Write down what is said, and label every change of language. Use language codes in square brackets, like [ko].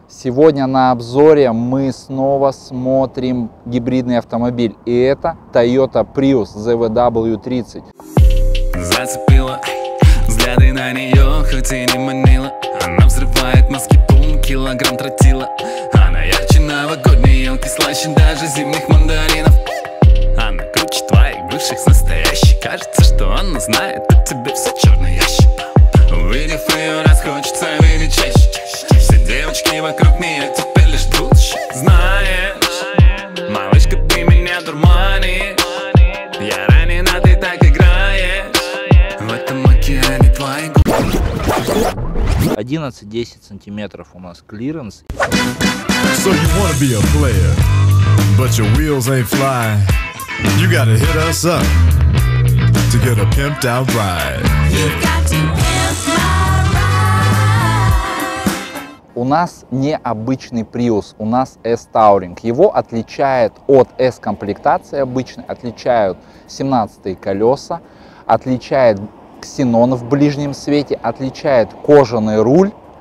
[ru] Сегодня на обзоре мы снова смотрим гибридный автомобиль. И это Toyota Prius ZW30. Зацепила взгляды на нее, хоть и не манила. Она взрывает мозги, пум, килограмм тротила. Она ярче новогодней елки, слаще даже зимних мандаринов. Она круче твоих бывших настоящих. Кажется, что она знает о тебе все черный ящик. Увидев ее раз, хочется видеть чаще. Девочки вокруг меня теперь лишь ждут. Знаешь, малышка, ты меня дурманишь. Я ранена, ты так играешь. В этом океане твои губы. 11-10 сантиметров у нас клиренс. [en] So you wanna be a player, but your wheels ain't fly. You gotta hit us up to get a pimped out ride. You got to pimp my ride. [ru] У нас необычный Prius, у нас S-Touring. Его отличает от S-комплектации обычной, отличают 17-е колеса, отличает ксенон в ближнем свете, отличает кожаный руль.